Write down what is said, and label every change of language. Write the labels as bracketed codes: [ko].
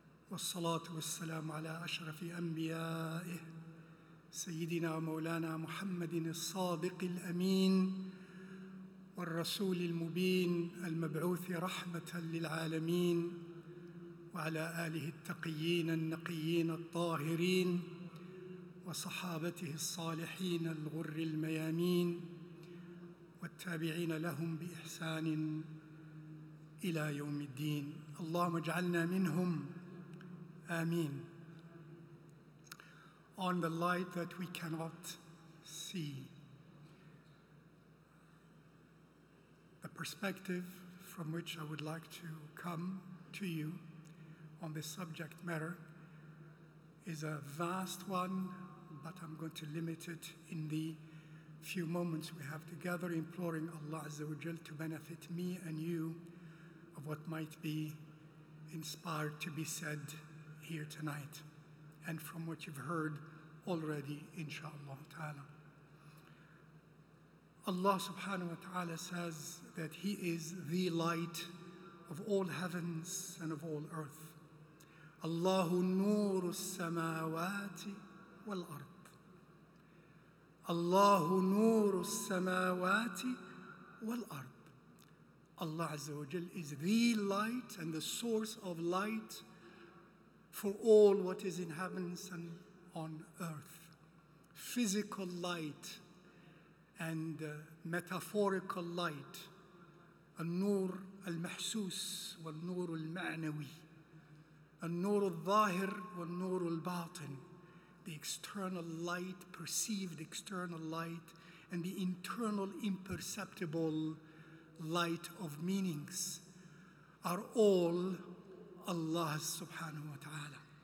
[ar] والصلاة والسلام على أشرف أنبيائه سيدنا ومولانا محمد الصادق الأمين والرسول المبين المبعوث رحمة للعالمين، وعلى آله التقيين النقيين الطاهرين، وصحابته الصالحين الغر الميامين، والتابعين لهم بإحسان إلى يوم الدين. اللهم اجعلنا منهم، آمين. [en] On the light that we cannot see. The perspective from which I would like to come to you on this subject matter is a vast one, but I'm going to limit it in the few moments we have together, imploring Allah Azza wa Jal to benefit me and you of what might be inspired to be said here tonight, and from what you've heard already, inshallah ta'ala. Allah subhanahu wa ta'ala says that He is the light of all heavens and of all earth. [ar] الله نور السماوات والأرض. الله نور السماوات والأرض. [en] Allah Azza wa Jal is the light and the source of light for all what is in heavens and on earth. Physical light and metaphorical light. [ar] النور المحسوس والنور المعنوي. النور الظاهر والنور الباطن, [en] the external light, perceived external light, and the internal imperceptible light of meanings are all Allah subhanahu wa ta'ala.